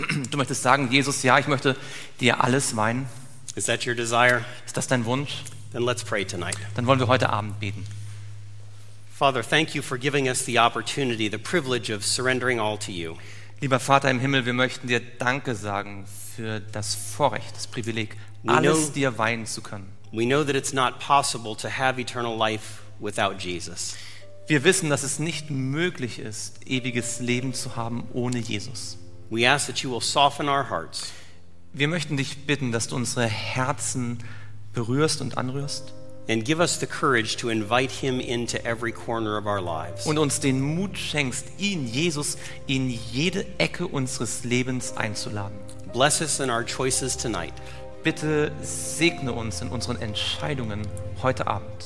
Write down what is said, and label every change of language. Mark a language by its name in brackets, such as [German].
[German] Du möchtest sagen, Jesus, ja, ich möchte dir alles weihen. [English] Is that your desire? [German] Ist das dein Wunsch? [English] Then let's pray tonight. [German] Dann wollen wir heute Abend beten. [English] Father, thank you for giving us the opportunity, the privilege of surrendering all to you. [German] Lieber Vater im Himmel, wir möchten dir Danke sagen für das Vorrecht, das Privileg, alles dir weihen zu können. [English] We know that it's not possible to have eternal life without Jesus. [German] Wir wissen, dass es nicht möglich ist, ewiges Leben zu haben ohne Jesus. [English] We ask that you will soften our hearts. [German] Wir möchten dich bitten, dass du unsere Herzen berührst und anrührst. [English] And give us the courage to invite him into every corner of our lives. [German] Und uns den Mut schenkst, ihn, Jesus, in jede Ecke unseres Lebens einzuladen. [English] Bless us in our choices tonight. [German] Bitte segne uns in unseren Entscheidungen heute Abend.